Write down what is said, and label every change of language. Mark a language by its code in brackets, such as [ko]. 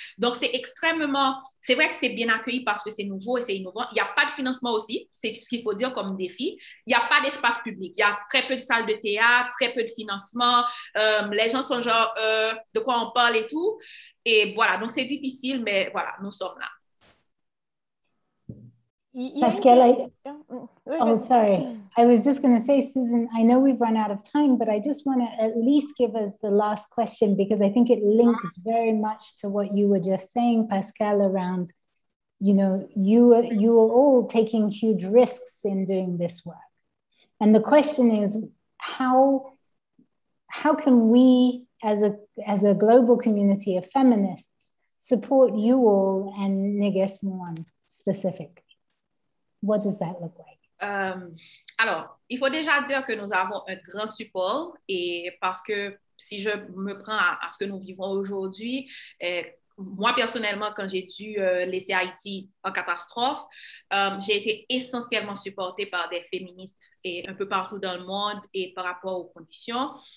[fr] Donc, c'est extrêmement... C'est vrai que c'est bien accueilli parce que c'est nouveau et c'est innovant. Il n'y a pas de financement aussi, c'est ce qu'il faut dire comme défi. Il n'y a pas d'espace public. Il y a très peu de salles de théâtre, très peu de financement. Les gens sont genre, de quoi on parle et tout. Et voilà, donc c'est difficile, mais voilà, nous sommes là. [en] Pascal, oh, sorry. I was just going to say, Susan, I know we've run out of time, but I just want to at least give us the last question because I think it links very much to what you were just saying, Pascal, around, you know, you are all taking huge risks in doing this work. And the question is, how can we as a global community of feminists support you all and Neges Mouan specifically? What does that look like? [fr] Alors, il faut déjà dire que nous avons un grand support, et parce que si je me prends à ce que nous vivons aujourd'hui, moi personnellement, quand j'ai dû laisser Haïti en catastrophe, j'ai été essentiellement supportée par des féministes et un peu partout dans le monde et par rapport aux conditions.